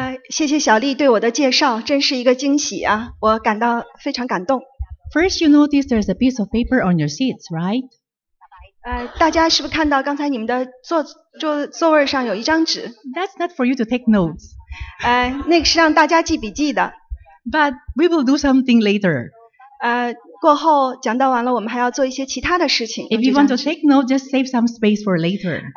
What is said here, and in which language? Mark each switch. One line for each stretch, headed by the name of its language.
Chinese: 谢谢小丽对我的介绍，真是一个惊喜啊！我感到非常感动。
English: First, you notice there's a piece of paper on your seats, right?
Chinese: 大家是不是看到刚才你们的座位上有一张纸？
English: That's not for you to take notes.
Chinese: 那个是让大家记笔记的。
English: But we will do something later.
Chinese: 过后讲到完了，我们还要做一些其他的事情。
English: If you want to take notes, just save some space for later.